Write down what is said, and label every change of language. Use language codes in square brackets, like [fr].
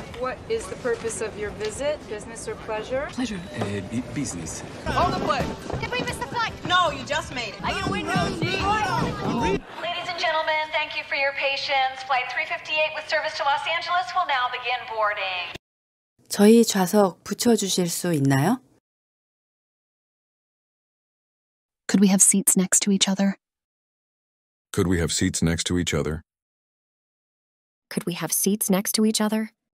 [en] What is the purpose of your visit, business or pleasure? Pleasure. Business. Hold the foot. Did we miss the flight? No, you just made it. I get a window seat. Ladies and gentlemen, thank you for your patience. Flight 358 with service to Los Angeles will now begin boarding. [ko] 저희 좌석 붙여주실 수 있나요? [en] Could we have seats next to each other? Could we have seats next to each other? Could we have seats next to each other?